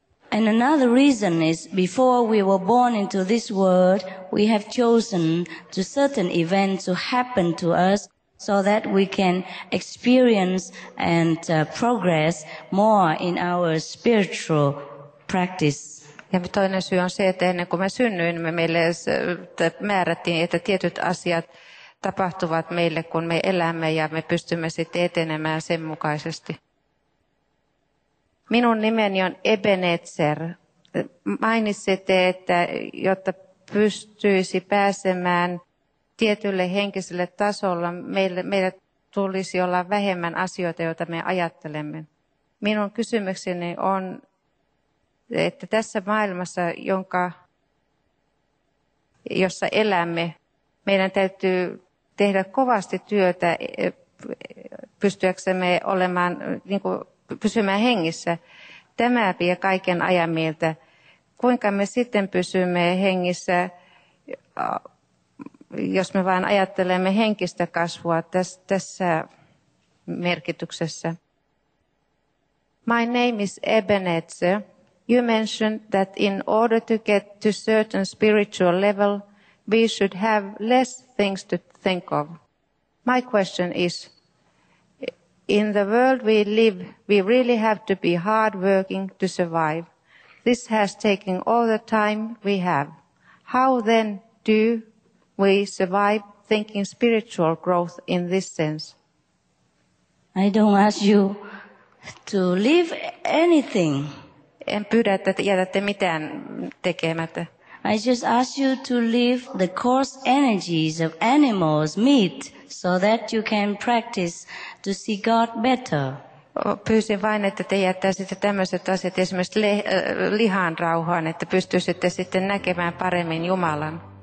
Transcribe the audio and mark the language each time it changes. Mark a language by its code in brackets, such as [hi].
[en] And another reason is before we were born into this world, we have chosen to certain events to happen to us so that we can experience and progress more in our spiritual practice. [fi] Ja toinen syy on se, että ennen kuin me synnyimme, meille määrättiin, että tietyt asiat tapahtuvat meille, kun me elämme ja me pystymme sitten etenemään sen mukaisesti. Minun nimeni on Ebenezer. Mainitsitte, että jotta pystyisi pääsemään tietylle henkiselle tasolle, meillä tulisi olla vähemmän asioita, joita me ajattelemme. Minun kysymykseni on, että tässä maailmassa, jossa elämme, meidän täytyy tehdä kovasti työtä pystyäksemme olemaan niin kuin pysymään hengissä. Tämä vie kaiken ajan mieltä. Kuinka me sitten pysymme hengissä, jos me vain ajattelemme henkistä kasvua tässä merkityksessä? [en] My name is Ebenezer. You mentioned that in order to get to certain spiritual level, we should have less things to think of. My question is, in the world we live, we really have to be hardworking to survive. This has taken all the time we have. How then do we survive thinking spiritual growth in this sense? I don't ask you to leave anything. [fi] En pyydä, että jätätte mitään tekemättä. [en] I just ask you to leave the coarse energies of animals, meat, so that you can practice to see God better. [fi] Pyysin vain, että te jättäisitte tämmöiset asiat esimerkiksi lihan rauhaan, että pystyisitte sitten näkemään paremmin Jumalan.